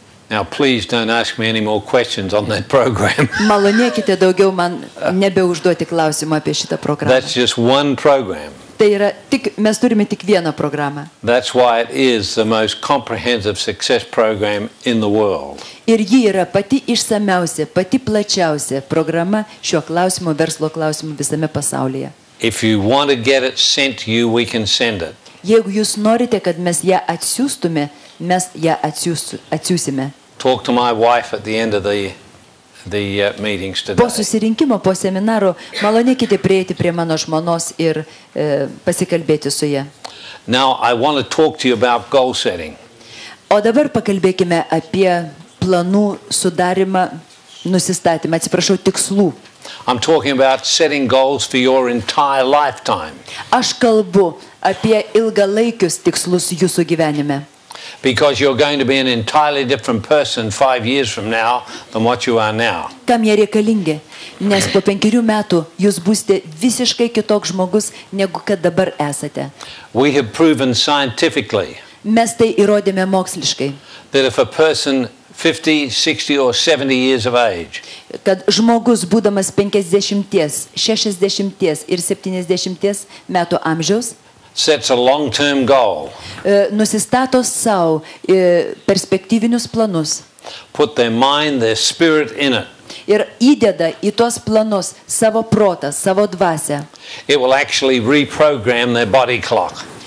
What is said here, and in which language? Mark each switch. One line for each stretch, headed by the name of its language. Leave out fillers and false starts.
English: Now please don't ask me any more questions on that program.
Lithuanian: Malonėkite daugiau man nebeužduoti klausimų apie šitą programą.
English: That's just one program.
Lithuanian: Tai yra tik mes turime tik vieną programą.
English: That's why it is the most comprehensive success program in the world.
Lithuanian: Ir ji yra pati išsamiausia, pati plačiausia programa šiuo klausimu, verslo klausimu visame pasaulyje.
English: If you want to get it sent you, we can send it.
Lithuanian: Jeigu jūs norite, kad mes ją atsiųstume, mes ją atsiųsime.
English: Talk to my wife at the end of the meetings today.
Lithuanian: Po susirinkimo, po seminaro, malonėkite prieiti prie mano žmonos ir pasikalbėti su ja.
English: Now I want to talk to you about goal setting.
Lithuanian: O dabar pakalbėkime apie planų sudarymą, nusistatymą, atsiprašau, tikslų
English: I'm talking about setting goals for your entire lifetime.
Lithuanian: Aš kalbu apie ilgalaikius tikslus jūsų gyvenime.
English: Because you're going to be an entirely different person 5 years from now than what you are now.
Lithuanian: Kam jie reikalingi? Nes po 5 metų jūs būsite visiškai kitoks žmogus negu kad dabar esate.
English: We have proven scientifically.
Lithuanian: Mes tai įrodėme moksliškai.
English: That if a person 50, 60 or 70 years of age.
Lithuanian: Kad žmogus būdamas 50, 60 ir 70 metų amžiaus
English: sets a long-term goal.
Lithuanian: Nusistato sau perspektyvinius planus.
English: Put their mind, their spirit in it.
Lithuanian: Ir įdeda į tuos planus savo protą, savo dvasę.
English: It will actually reprogram their body clock.